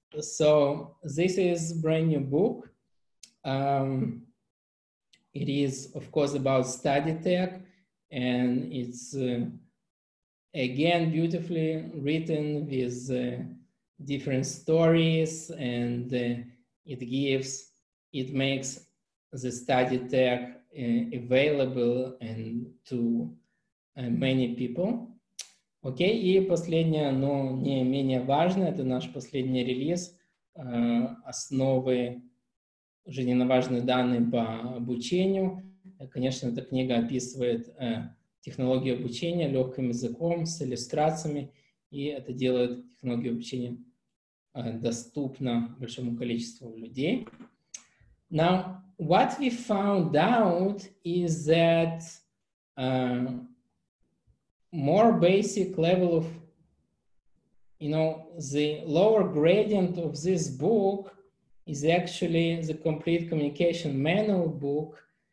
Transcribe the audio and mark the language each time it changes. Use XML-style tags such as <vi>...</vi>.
<en>So this is brand new book. It is, of course, about study tech, and it's again beautifully written with different stories, and it makes the study tech available and to many people.</en> <ru>Окей, и последнее, но не менее важное, это наш последний релиз «Основы жизненно-важные данные по обучению». Конечно, эта книга описывает технологии обучения легким языком, с иллюстрациями, и это делает технологию обучения доступно большому количеству людей.</ru> <en>Now, what we found out is that more basic level of, you know, the lower gradient of this book is actually the complete communication manual book.</en>